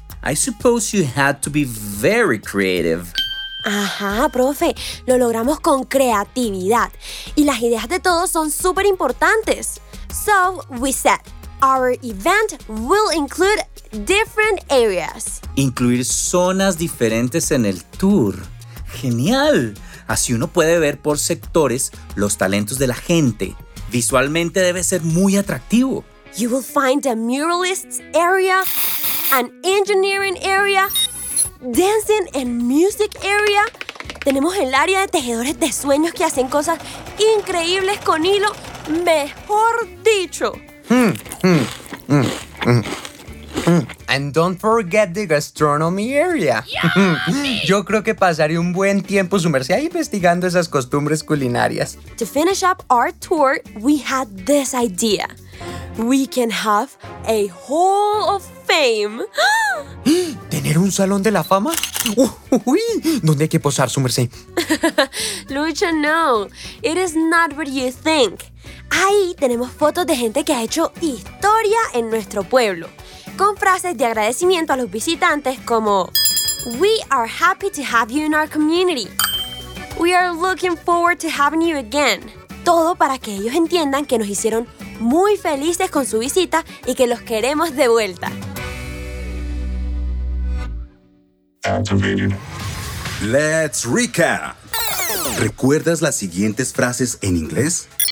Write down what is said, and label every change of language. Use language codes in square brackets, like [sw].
[en] I suppose you had to be very creative. [es] Ajá, profe. Lo logramos con creatividad. Y las ideas de todos son súper importantes. [en] So, we said, our event will include different areas. [es] Incluir zonas diferentes en el tour. ¡Genial! Así uno puede ver por sectores los talentos de la gente. Visualmente debe ser muy atractivo. [en] You will find a muralists area, an engineering area, dancing and music area. [es] Tenemos el área de tejedores de sueños que hacen cosas increíbles con hilo, mejor dicho. [en] And don't forget the gastronomy area. [es] Yo creo que pasaré un buen tiempo, su merced, investigando esas costumbres culinarias. [en] To finish up our tour, we had this idea. We can have a hall of fame. [es] ¿Tener un salón de la fama? Uy, ¿dónde hay que posar, su merced? [en] Lucha, no. It is not what you think. [es] Ahí tenemos fotos de gente que ha hecho historia en nuestro pueblo. Con frases de agradecimiento a los visitantes como [en] We are happy to have you in our community. We are looking forward to having you again. [es] Todo para que ellos entiendan que nos hicieron muy felices con su visita y que los queremos de vuelta. [en] Let's recap. [es] ¿Recuerdas las siguientes frases en inglés?